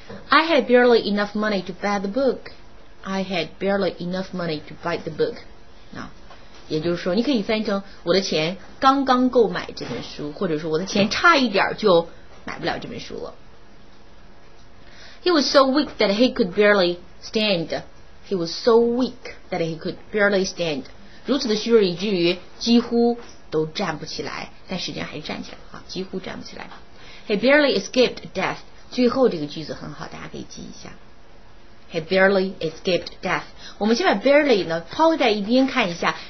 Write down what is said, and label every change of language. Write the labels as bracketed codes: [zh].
[en] I had barely enough money to buy the book. I had barely enough money to buy the book. [zh] 啊，也就是说，你可以翻译成我的钱刚刚够买这本书，或者说我的钱差一点就买不了这本书了。 [en] He was so weak that he could barely stand. He was so weak that he could barely stand. [zh] 如此的虚弱以至于几乎都站不起来，但实际上还是站起来，几乎站不起来。 [en] He barely escaped death. [zh] 最后这个句子很好，大家可以记一下。 [en] He barely escaped death. [zh] 我们先把 barely 呢抛在一边看一下。